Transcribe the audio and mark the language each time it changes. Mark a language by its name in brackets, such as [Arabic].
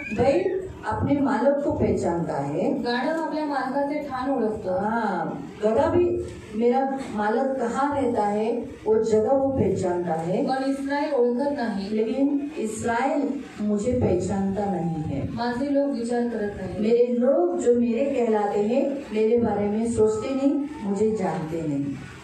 [Hindi] बैल अपने मालक को पहचानता है, [Marathi] गाढव आपल्या मालकाचे ठाण ओळखतो, [Hindi] गधा भी मेरा मालक कहाँ रहता है वो जगह वो पहचानता है, [Marathi] पण इस्राएल ओळखत नाही, [Hindi] लेकिन इस्राएल मुझे पहचानता नहीं है, [Marathi] माझे लोक विचार करत नाही, [Hindi] मेरे लोग जो मेरे कहलाते हैं मेरे बारे में सोचते नहीं, मुझे जानते नहीं।